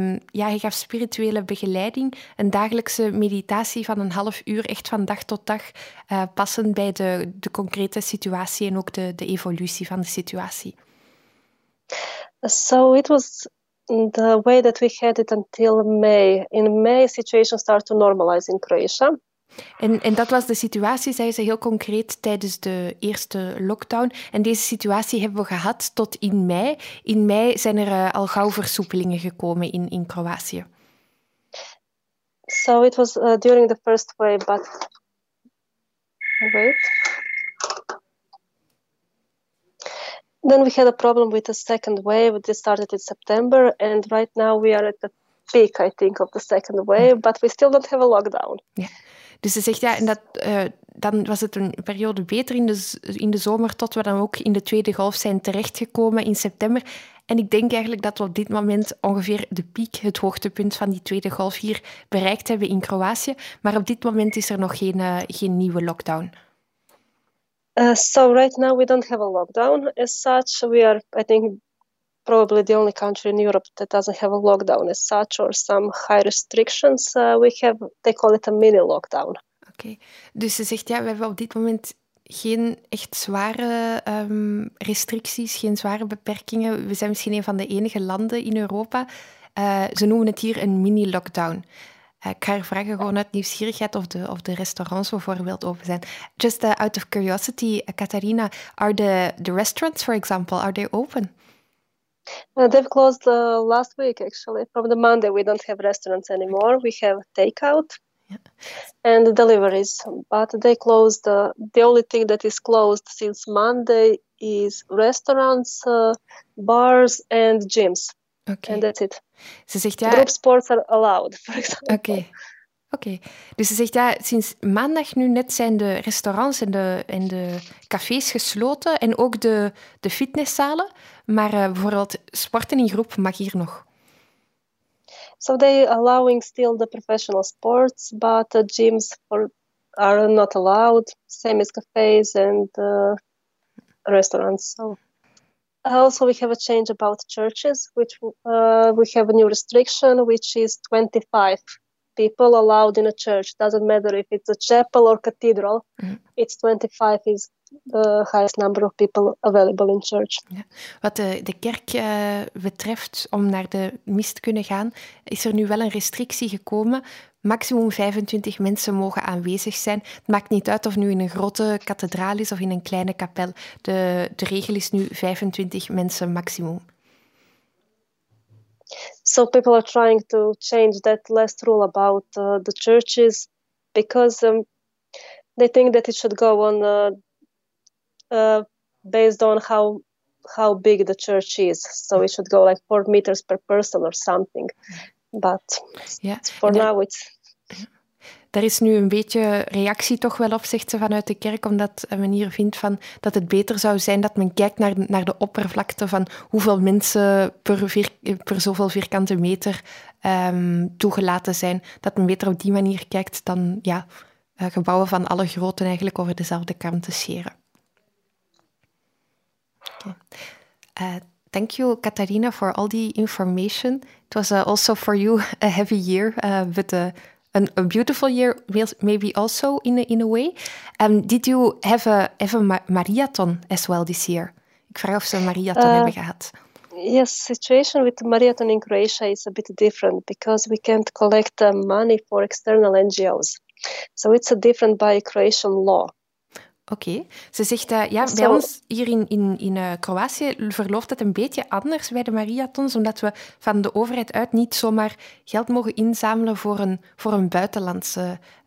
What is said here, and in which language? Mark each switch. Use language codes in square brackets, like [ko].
[nl] Hij gaf spirituele begeleiding, een dagelijkse meditatie van een half uur, echt van dag tot dag, passend bij de concrete situatie en ook de evolutie van de situatie. [en] So it was the way that we had it until May. In May, situation started to normalize in Croatia. [nl] En dat was de situatie, zei ze heel concreet, tijdens de eerste lockdown. En deze situatie hebben we gehad tot in mei. In mei zijn er al gauw versoepelingen gekomen in Kroatië. [en] So it was during the first wave, but... Wait. Then we had a problem with the second wave. It started in September and right now we are at the peak, I think, of the second wave. But we still don't have a lockdown. [nl] Ja. Dus ze zegt, ja, en dat, dan was het een periode beter in de zomer, tot we dan ook in de tweede golf zijn terechtgekomen in september. En ik denk eigenlijk dat we op dit moment ongeveer de piek, het hoogtepunt van die tweede golf hier bereikt hebben in Kroatië. Maar op dit moment is er nog geen nieuwe lockdown. [en] So right now we don't have a lockdown as such. We are, I think, probably the only country in Europe that doesn't have a lockdown as such or some high restrictions. We have, they call it a mini lockdown. Oké. Okay. [nl] Dus ze zegt, ja, we hebben op dit moment geen echt zware restricties, geen zware beperkingen. We zijn misschien een van de enige landen in Europa. Ze noemen het hier een mini lockdown. Ik ga haar vragen gewoon uit nieuwsgierigheid of de restaurants bijvoorbeeld open zijn. [en] Just out of curiosity, Katarina, are the restaurants, for example, are they open? They've closed last week, actually. From the Monday, we don't have restaurants anymore. We have takeout and deliveries. But they closed. The only thing that is closed since Monday is restaurants, bars and gyms. Okay. And that's it. [nl] Ze zegt, ja, [en] group sports are allowed, for example. Okay. [nl] Dus ze zegt, ja, sinds maandag nu net zijn de restaurants en de cafés gesloten en ook de fitnesszalen. Maar bijvoorbeeld sporten in groep mag hier nog. [en] So they are allowing still the professional sports, but the gyms are not allowed. Same as cafés and restaurants. So. Also, we have a change about churches, which we have a new restriction, which is 25 people allowed in a church. Doesn't matter if it's a chapel or cathedral, it's 25 is the highest number of people available in church. [nl] Ja. Wat de kerk betreft, om naar de mis te kunnen gaan, is er nu wel een restrictie gekomen. Maximum 25 mensen mogen aanwezig zijn. Het maakt niet uit of nu in een grote kathedraal is of in een kleine kapel. De regel is nu 25 mensen maximum. So people are trying to change that last rule about the churches because they think that it should go on based on how big the church is. So it should go like 4 meters per person or something. But yeah. For now it's... Er is nu een beetje reactie toch wel op, zegt ze, vanuit de kerk, omdat men hier vindt van dat het beter zou zijn dat men kijkt naar de oppervlakte van hoeveel mensen per zoveel vierkante meter toegelaten zijn. Dat men beter op die manier kijkt dan ja, gebouwen van alle grootte eigenlijk over dezelfde kam te scheren. [en] Okay. Thank you, Katarina, for all the information. It was also for you a heavy year, but a beautiful year, maybe also in a way. Did you have a marathon as well this year? [nl] Ik vraag of ze een marathon hebben gehad. [en] Yes, situation with the marathon in Croatia is a bit different because we can't collect money for external NGOs. So it's a different by Croatian law. Oké. Okay. [nl] Ze zegt, bij ons hier in Kroatië verloopt het een beetje anders bij de marathons, omdat we van de overheid uit niet zomaar geld mogen inzamelen voor een buitenlandse